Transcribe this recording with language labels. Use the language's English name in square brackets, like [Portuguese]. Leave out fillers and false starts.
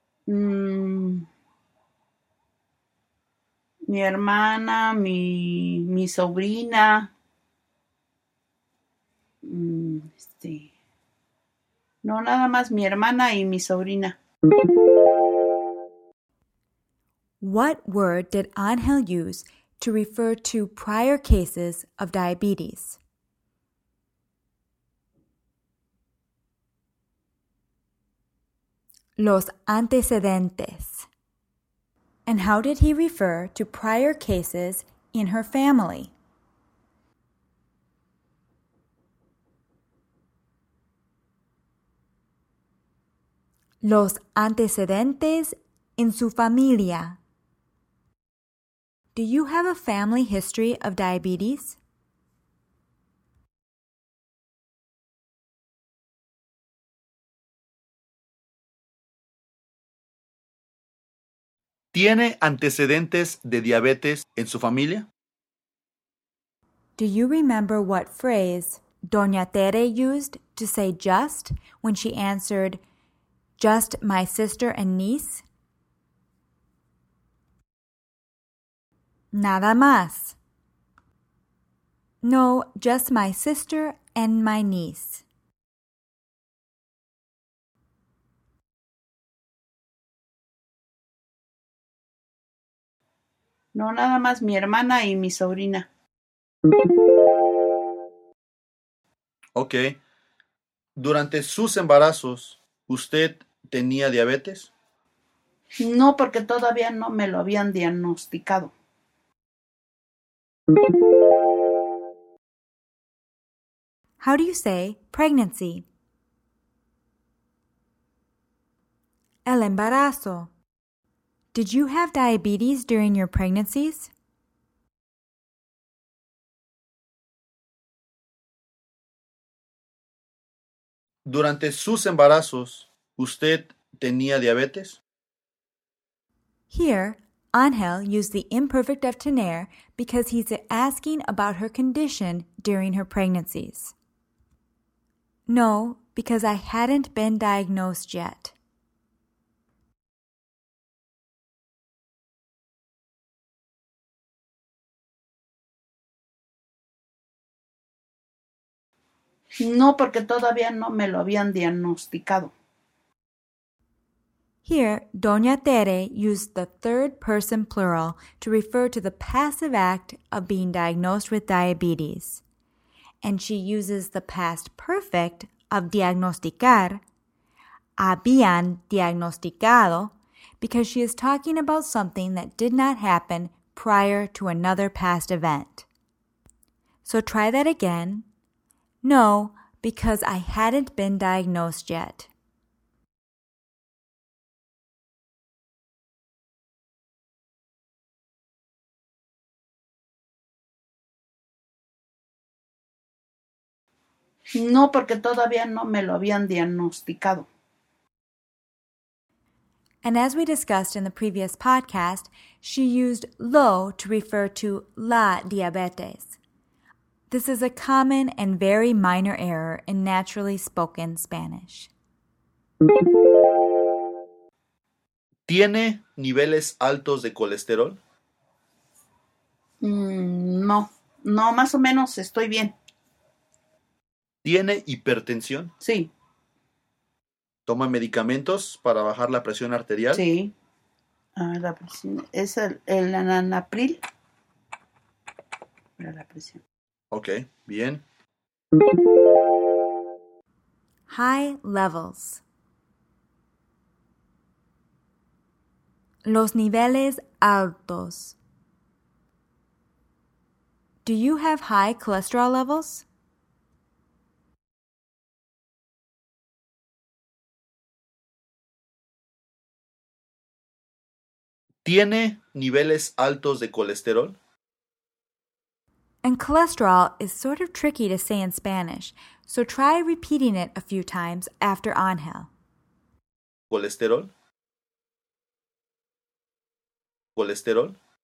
[Spanish] Mi hermana, mi sobrina, no, nada más mi hermana y mi sobrina. [English] What word did Angel use to refer to prior cases of diabetes? [Spanish] Los antecedentes. [English] And how did he refer to prior cases in her family? [Spanish] Los antecedentes en su familia. [English] Do you have a family history of diabetes? [Spanish] ¿Tiene antecedentes de diabetes en su familia? [English] Do you remember what phrase Doña Tere used to say just when she answered, just my sister and niece? [Spanish] Nada más. [English] No, just my sister and my niece. [Spanish] No, nada más mi hermana y mi sobrina. Ok. ¿Durante sus embarazos, usted tenía diabetes? No, porque todavía no me lo habían diagnosticado. [English] How do you say pregnancy? [Spanish] El embarazo. [English] Did you have diabetes during your pregnancies? [Spanish] Durante sus embarazos, ¿usted tenía diabetes? [English] Here, Angel used the imperfect of tener because he's asking about her condition during her pregnancies. No, because I hadn't been diagnosed yet. [Spanish] No, porque todavía no me lo habían diagnosticado. [English] Here, Doña Tere used the third person plural to refer to the passive act of being diagnosed with diabetes. And she uses the past perfect of diagnosticar, [Spanish] habían diagnosticado, [English] because she is talking about something that did not happen prior to another past event. So try that again. No, because I hadn't been diagnosed yet. [Spanish] No, porque todavía no me lo habían diagnosticado. [English] And as we discussed in the previous podcast, she used lo to refer to la diabetes. This is a common and very minor error in naturally spoken Spanish. [Spanish] ¿Tiene niveles altos de colesterol? No, más o menos estoy bien. ¿Tiene hipertensión? Sí. ¿Toma medicamentos para bajar la presión arterial? Sí. La presión es el anapril. Para la presión. Okay, bien. [English] High levels. [Spanish] Los niveles altos. [English] Do you have high cholesterol levels? [Spanish] ¿Tiene niveles altos de colesterol? [English] And cholesterol is sort of tricky to say in Spanish, so try repeating it a few times after Ángel. [Spanish] ¿Colesterol? ¿Colesterol?